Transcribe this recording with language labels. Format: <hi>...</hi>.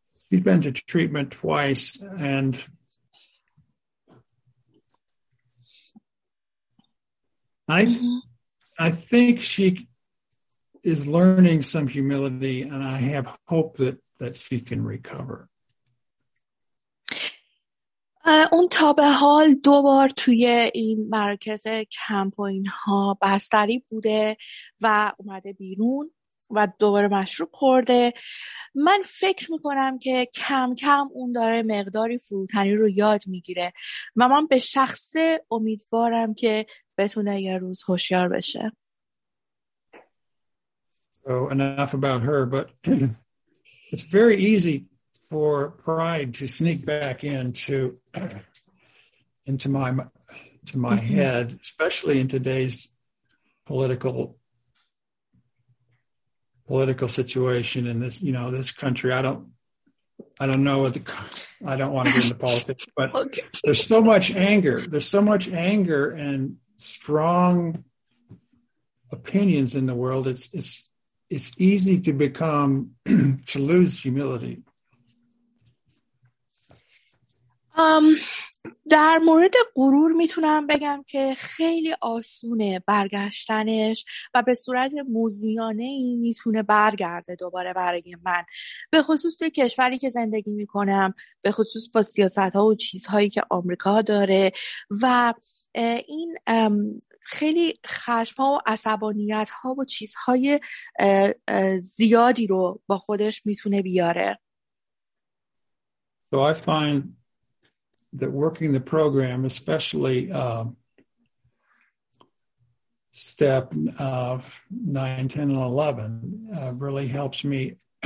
<en>He's been to treatment twice and I think she is learning some humility and I have hope that she can recover.</en> <fa>اون تا به حال دو بار توی این مرکز کمپ و اینها بستری بوده و اومده بیرون و دوباره مشروب خورده. من فکر میکنم که کم کم اون داره مقداری فروتنی رو یاد میگیره و من به شخص امیدوارم که بتونه یه روز هوشیار بشه.</fa> <en>Enough about her, but it's very easy for pride to sneak back into my head, especially in today's political situation in this country. I don't want to get into politics, but okay. there's so much anger and strong opinions in the world. It's easy to become to lose humility.</en> <fa>در مورد غرور میتونم بگم که خیلی آسونه برگشتنش و به صورت موذیانه‌ای میتونه برگرده دوباره برای من، به خصوص توی کشوری که زندگی میکنم، به خصوص با سیاست‌ها و چیزهایی که آمریکا داره. و این خیلی خشم ها و عصبانیت ها و چیزهای زیادی رو با خودش میتونه بیاره.</fa> <en>So I find that working the program, especially step 9, 10, and 11, really helps me.</en>